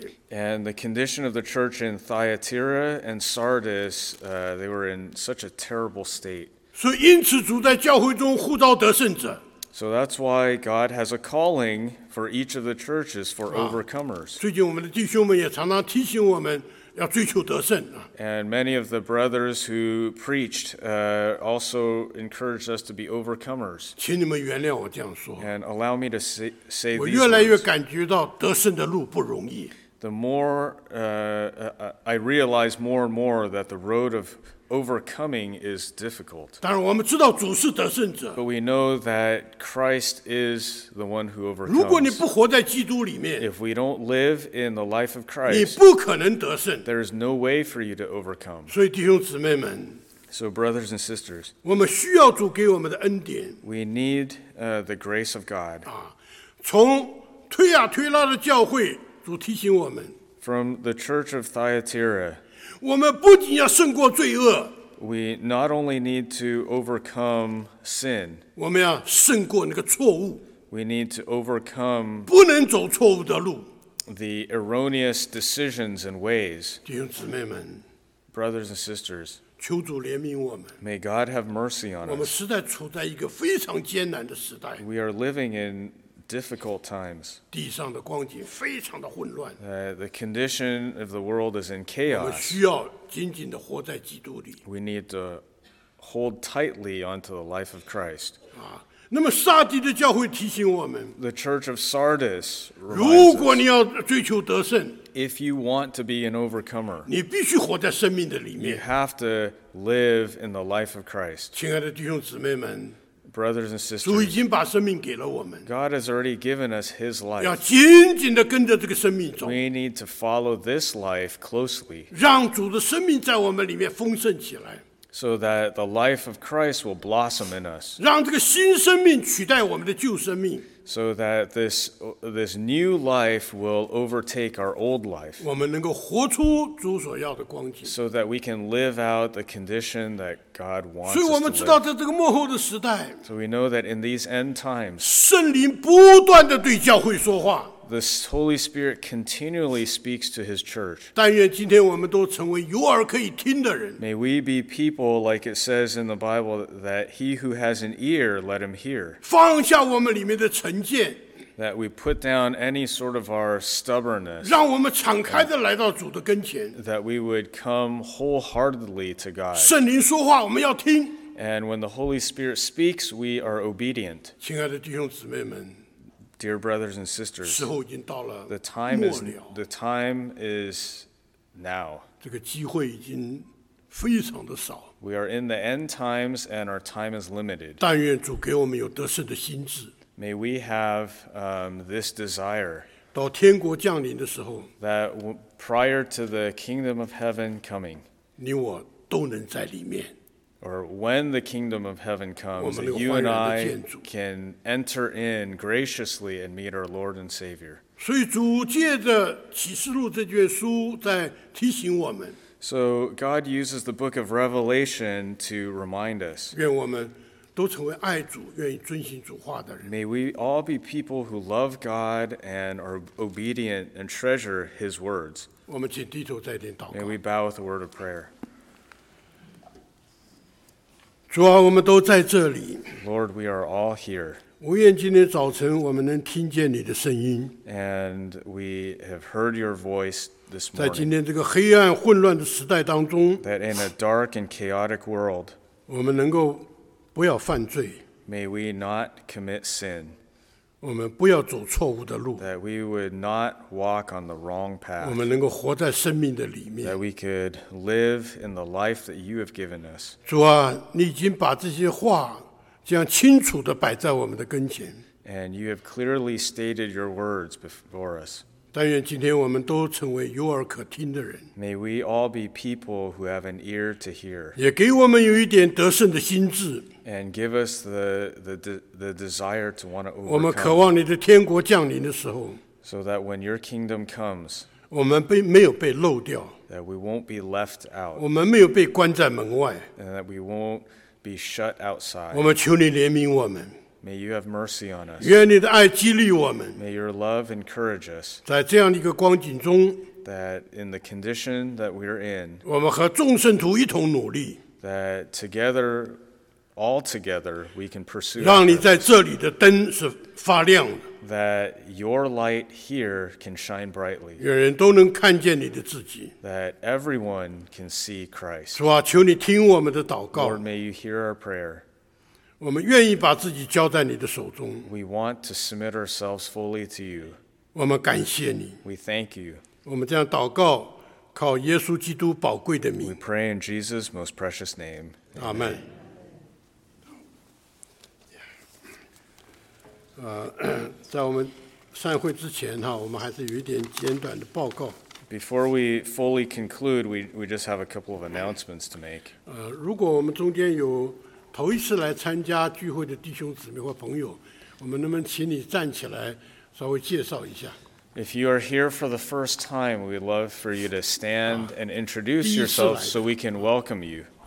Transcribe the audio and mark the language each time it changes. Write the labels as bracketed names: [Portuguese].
[English] and the condition of the church in Thyatira and Sardis, they were in such a terrible state. [Chinese] 所以因此主在教会中呼召得胜者。 [English] So that's why God has a calling for each of the churches for overcomers. [Chinese] 最近我们的弟兄们也常常提醒我们要追求得胜, [English] and many of the brothers who preached also encouraged us to be overcomers. [Chinese] 请你们原谅我这样说, [English] and allow me to say these words. [Chinese] 我越来越感觉到得胜的路不容易。 [English] The more I realize more and more that the road of overcoming is difficult. But we know that Christ is the one who overcomes. If we don't live in the life of Christ, there is no way for you to overcome. [Chinese] 所以弟兄姊妹们, [English] so brothers and sisters, [Chinese] 我们需要主给我们的恩典, [English] we need the grace of God. [Chinese] 从推啊推拉的教会, 主提醒我们, [English] from the church of Thyatira, [Chinese] 我们不仅要胜过罪恶, [English] we not only need to overcome sin, [Chinese] 我们要胜过那个错误, [English] we need to overcome [Chinese] 不能走错误的路, [English] the erroneous decisions and ways. [Chinese] 弟兄姊妹们, [English] brothers and sisters, [Chinese] 求主怜悯我们, [English] may God have mercy on us. [Chinese] 我们实在处在一个非常艰难的时代, [English] we are living in difficult times. [Chinese] 地上的光景非常的混乱, [English] the condition of the world is in chaos. [Chinese] 我们需要紧紧地活在基督里, [English] we need to hold tightly onto the life of Christ. [Chinese] 那么撒底的教会提醒我们, [English] the church of Sardis reminds us, [Chinese] 如果你要追求得胜, [English] if you want to be an overcomer, [Chinese] 你必须活在生命的里面, [English] you have to live in the life of Christ. [Chinese] 亲爱的弟兄姊妹们, [English] brothers and sisters, God has already given us his life. [Chinese] 要紧紧地跟着这个生命走, [English] we need to follow this life closely, [Chinese] 让主的生命在我们里面丰盛起来, [English] so that the life of Christ will blossom in us, [Chinese] 让这个新生命取代我们的旧生命, [English] so that this new life will overtake our old life, [Chinese] 我们能够活出主所要的光景, [English] so that we can live out the condition that God wants us to live. [Chinese] 所以我们知道在这个末后的时代, [English] so we know that in these end times, [Chinese] 圣灵不断地对教会说话, [English] the Holy Spirit continually speaks to his church. [Chinese] 但愿今天我们都成为有耳可以听的人, [English] may we be people like it says in the Bible that he who has an ear, let him hear. [Chinese] 放下我们里面的成见, [English] that we put down any sort of our stubbornness, [Chinese] 让我们敞开地来到主的跟前, [English] that we would come wholeheartedly to God. [Chinese] 圣灵说话, [English] and when the Holy Spirit speaks, we are obedient. [Chinese] 亲爱的弟兄姊妹们, [English] dear brothers and sisters, [Chinese] 时候已经到了末了, [English] the time is now. [Chinese] 这个机会已经非常的少, [English] we are in the end times and our time is limited. [Chinese] 但愿主给我们有得胜的心智, [English] may we have this desire. [Chinese] 到天国降临的时候 [English] that prior to the kingdom of heaven coming, [Chinese] 你我都能在里面 [English] or when the kingdom of heaven comes, you and I can enter in graciously and meet our Lord and Savior. [Chinese] 所以主借着启示录这卷书在提醒我们 [English] So God uses the book of Revelation to remind us. [Chinese] 愿我们都成为爱主愿意遵行主话的人 [English] May we all be people who love God and are obedient and treasure his words. [Chinese] 我们请低头再点祷告 [English] May we bow with a word of prayer. [Chinese] 主啊我们都在这里 [English] Lord, we are all here. [Chinese] 无愿今天早晨我们能听见你的声音 [English] And we have heard your voice this morning. [Chinese] 在今天这个黑暗混乱的时代当中 [English] That in a dark and chaotic world, [Chinese] 我们能够不要犯罪 [English] May we not commit sin. [Chinese] 我们不要走错误的路 [English] That we would not walk on the wrong path. [Chinese] 我们能够活在生命的里面 [English] That we could live in the life that you have given us. [Chinese] 主啊，你已经把这些话这样清楚地摆在我们的跟前 [English] And you have clearly stated your words before us. [Chinese] 但愿今天我们都成为有耳可听的人 [English] May we all be people who have an ear to hear. [Chinese] 也给我们有一点得胜的心智 [English] And give us the desire to want to overcome. [Chinese] 我们渴望你的天国降临的时候 [English] So that when your kingdom comes, [Chinese] 我们没有被漏掉 [English] That we won't be left out. [Chinese] 我们没有被关在门外 [English] And that we won't be shut outside. [Chinese] 我们求你怜悯我们 [English] May you have mercy on us. [Chinese] 愿你的爱激励我们 [English] May your love encourage us. [Chinese] 在这样一个光景中 [English] That in the condition that we're in, [Chinese] 我们和众圣徒一同努力 [English] That together, All together, we can pursue [Chinese] 让你在这里的灯是发亮的 [English] That your light here can shine brightly. [Chinese] 愿人都能看见你的自己 [English] That everyone can see Christ. [Chinese] 主啊，求你听我们的祷告 [English] Lord, may you hear our prayer. [Chinese] 我们愿意把自己交在你的手中 [English] We want to submit ourselves fully to you. [Chinese] 我们感谢你 [English] We thank you. [Chinese] 我们这样祷告，靠耶稣基督宝贵的名 [English] We pray in Jesus' most precious name. Amen. [Chinese] 在我们散会之前哈，我们还是有一点简短的报告。 [English] Before we fully conclude, we just have a couple of announcements to make. [Chinese] 如果我们中间有头一次来参加聚会的弟兄姊妹或朋友，我们能不能请你站起来稍微介绍一下 [English] ？If you are here for the first time, we'd love for you to stand and introduce yourself so we can welcome you.